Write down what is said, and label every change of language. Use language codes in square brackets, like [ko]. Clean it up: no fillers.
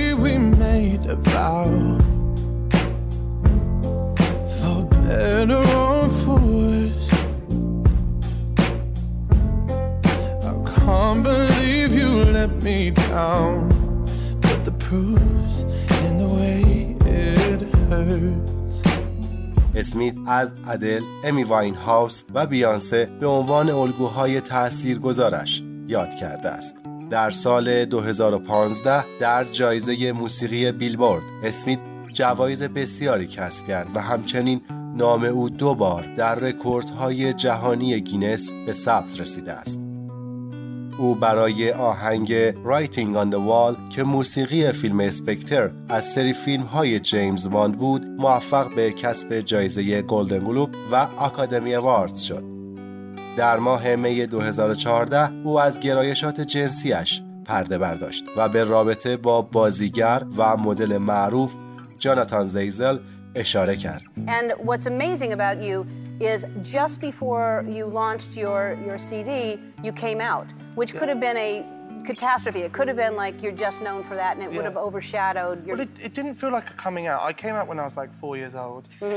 [en] We made a vow For better or for worse I can't believe you let me down But the proof's in the way it hurts. [fa] اسمیت از ادل، امی واین هاوس و بیانسه به عنوان الگوهای تاثیرگذارش یاد کرده است. در سال 2015 در جایزه موسیقی بیلبورد اسمیت جوایز بسیاری کسب کرد و همچنین نام او دو بار در رکوردهای جهانی گینس به ثبت رسیده است. او برای آهنگ Writing on the Wall که موسیقی فیلم اسپکتر از سری فیلم‌های جیمز واند بود موفق به کسب جایزه گلدن گلوب و آکادمی اوارد شد. در ماه می 2014 او از گرایشات جنسیش پرده برداشت و به رابطه با بازیگر و مدل معروف جاناتان زیزل اشاره کرد. [en] And what's amazing about you is just before you launched your CD, you came out, which could have been a catastrophe. It could have been like you're just known for that, and it would have overshadowed your... Well, it didn't feel like a coming out. I came out when I was like 4 years old.